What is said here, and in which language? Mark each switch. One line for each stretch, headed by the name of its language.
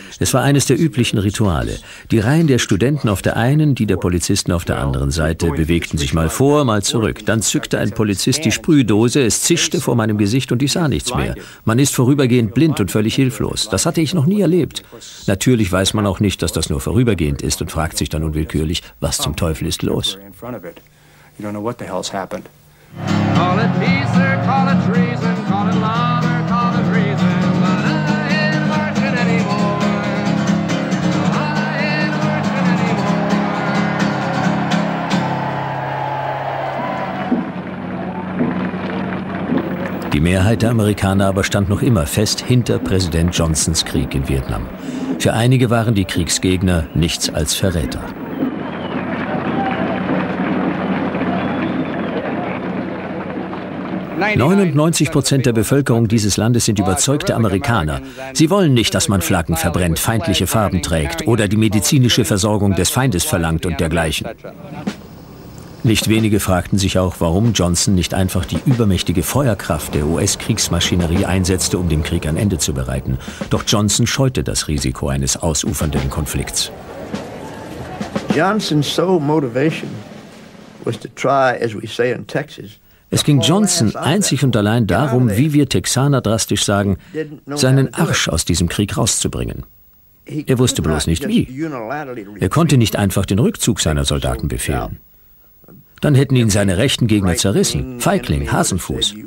German: Es war eines der üblichen Rituale. Die Reihen der Studenten auf der einen, die der Polizisten auf der anderen Seite, bewegten sich mal vor, mal zurück. Dann zückte ein Polizist die Sprühdose, es zischte vor meinem Gesicht und ich sah nichts mehr. Man ist vorübergehend blind und völlig hilflos. Das hatte ich noch nie erlebt. Natürlich weiß man auch nicht, dass das nur vorübergehend ist und fragt sich dann unwillkürlich, was zum Teufel ist los?
English: Call it peace or call it treason, call it love or call it reason, but I ain't marching anymore. I ain't marching anymore.
German: Die Mehrheit der Amerikaner aber stand noch immer fest hinter Präsident Johnsons Krieg in Vietnam. Für einige waren die Kriegsgegner nichts als Verräter. "99% der Bevölkerung dieses Landes sind überzeugte Amerikaner. Sie wollen nicht, dass man Flaggen verbrennt, feindliche Farben trägt oder die medizinische Versorgung des Feindes verlangt und dergleichen." Nicht wenige fragten sich auch, warum Johnson nicht einfach die übermächtige Feuerkraft der US-Kriegsmaschinerie einsetzte, um den Krieg ein Ende zu bereiten. Doch Johnson scheute das Risiko eines ausufernden Konflikts.
English: Johnson's sole motivation was to try, as we say in Texas,
German: es ging Johnson einzig und allein darum, wie wir Texaner drastisch sagen, seinen Arsch aus diesem Krieg rauszubringen. Er wusste bloß nicht wie. Er konnte nicht einfach den Rückzug seiner Soldaten befehlen. Dann hätten ihn seine rechten Gegner zerrissen. Feigling, Hasenfuß.